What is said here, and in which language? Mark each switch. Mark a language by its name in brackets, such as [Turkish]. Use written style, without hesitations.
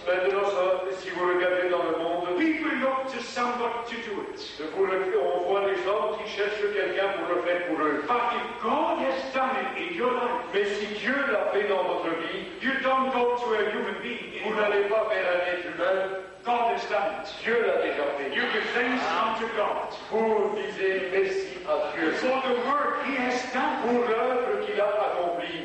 [French] maintenant ça, si vous regardez dans le monde, [English] people look to somebody to do it. [French] On voit les gens qui cherchent quelqu'un pour le faire pour eux. [English] But if God has done it in your life, [French] mais si Dieu l'a fait dans votre vie, [English] you don't go to a human being. [French] Vous n'allez pas vers un être humain. [English] God has done it. [French] Dieu l'a déjà fait. [English] You give thanks unto God. [French] Vous disiez merci à Dieu. [English] For the work He has done. [French] Pour l'œuvre qu'il a accomplie.